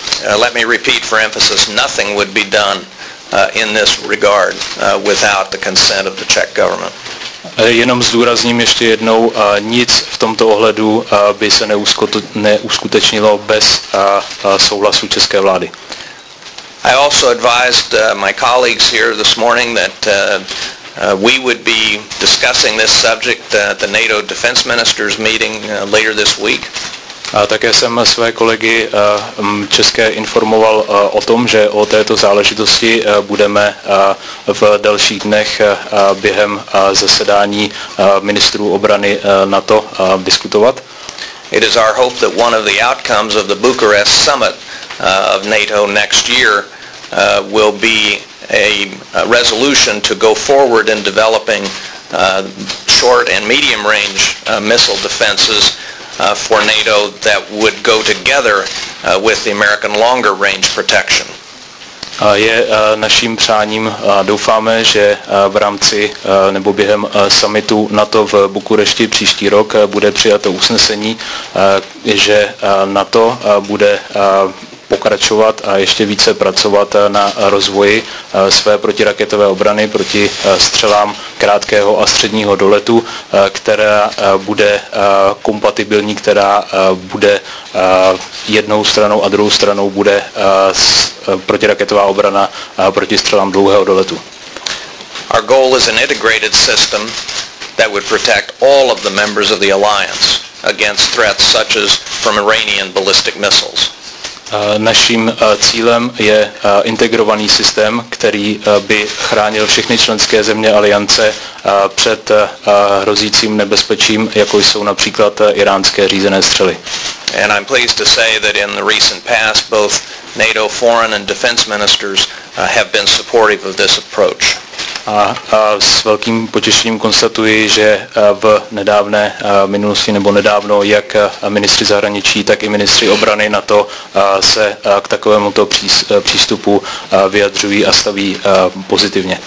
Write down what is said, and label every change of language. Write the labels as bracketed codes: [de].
[en] Let me repeat for emphasis, nothing would be done in this regard without the consent of the Czech government. [cs] Jenom zdůrazním ještě jednou, nic v tomto ohledu by se neuskutečnilo bez souhlasu české vlády. [en] I also advised my colleagues here this morning that we would be discussing this subject at the NATO defense ministers meeting later this week. [cs] A také jsem své kolegy české informoval o tom, že o této záležitosti budeme v dalších dnech během zasedání ministrů obrany NATO diskutovat. [en] It is our hope that one of the outcomes of the Bucharest summit of NATO next year will be a resolution to go forward in developing short and medium range missile defenses for NATO that would go together with the American longer range protection. [cs] Je naším přáním, doufáme, že v rámci nebo během summitu NATO v Bukurešti příští rok bude přijato usnesení, že NATO bude pokračovat a ještě více pracovat na rozvoji své protiraketové obrany proti střelám krátkého a středního doletu, která bude kompatibilní, která bude jednou stranou a druhou stranou bude protiraketová obrana proti střelám dlouhého doletu. [en] Our goal is an integrated system that would protect all of the members of the alliance against threats such as from Iranian ballistic missiles. [cs] Naším cílem je integrovaný systém, který by chránil všechny členské země aliance před hrozícím nebezpečím, jako jsou například iránské řízené střely. [en] And I'm pleased to say that in the recent past both NATO foreign and defense ministers have been supportive of this approach. [cs] A s velkým potěšením konstatuji, že v nedávné minulosti nebo nedávno jak ministři zahraničí, tak i ministři obrany NATO se k takovémuto přístupu vyjadřují a staví pozitivně.